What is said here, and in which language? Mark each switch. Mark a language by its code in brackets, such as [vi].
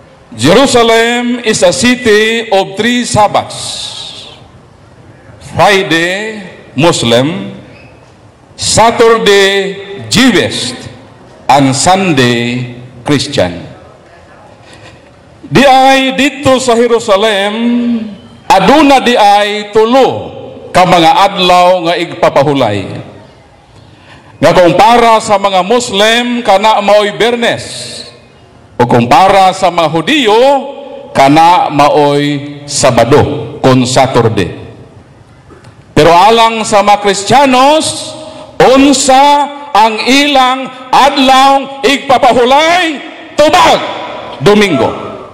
[en] Jerusalem is a city of three Sabbaths. Friday Muslim, Saturday Jewish, and Sunday Christian. [ceb] Di ay dito sa Jerusalem, aduna di ay tulo ka mga adlaw nga igpapahulay. Nga kumpara sa mga Muslim, kana maoy Biyernes. O kumpara sa mga Hudiyo, kana maoy Sabado, kung Saturday. Pero alang sa mga Kristiyanos, unsa ang ilang adlaw igpapahulay? Tubag! Domingo.